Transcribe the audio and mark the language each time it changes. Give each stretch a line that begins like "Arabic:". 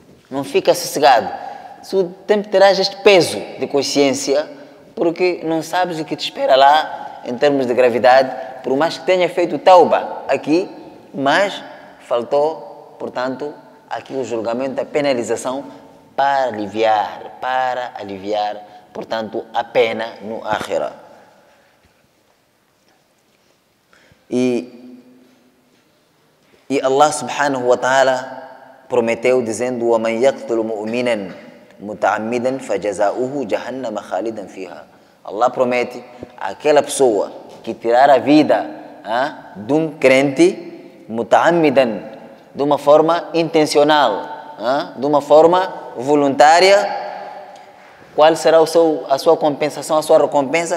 Portuguese: Não fica sossegado. Tu sempre terás este peso de consciência, porque não sabes o que te espera lá, em termos de gravidade, por mais que tenha feito tauba aqui, mas faltou, portanto, aqui o julgamento, a penalização para aliviar, portanto, a pena no Akhira.
Arabic: E Allah subhanahu wa ta'ala prometeu dizendo: وَمَنْ يَقْتُلُ مُؤْمِنًا مُتَعَمِّدًا فَجَزَاؤُهُ جَهَنَّمَ خَالِدًا فِيهَا.
Portuguese: Allah promete àquela pessoa que tirar a vida de um crente muta'amidan, de uma forma intencional, de uma forma voluntária, qual será a sua compensação, a sua recompensa?